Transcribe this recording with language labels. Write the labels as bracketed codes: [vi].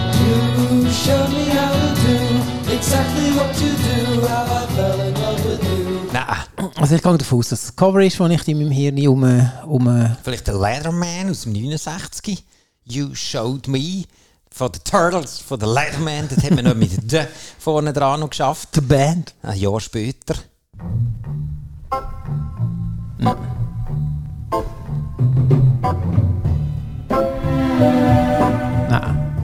[en] You showed me how to do exactly what you do, how I fell in love with you. [de] Nein. Also ich gehe davon aus, dass das Cover ist, das ich in meinem Hirn um... Vielleicht der Leatherman aus dem 69. [en] You showed me for the Turtles, for the Leatherman. [de] Das haben wir noch mit der vorne dran noch geschafft. [en] The Band. [de] Ein Jahr später. Nein.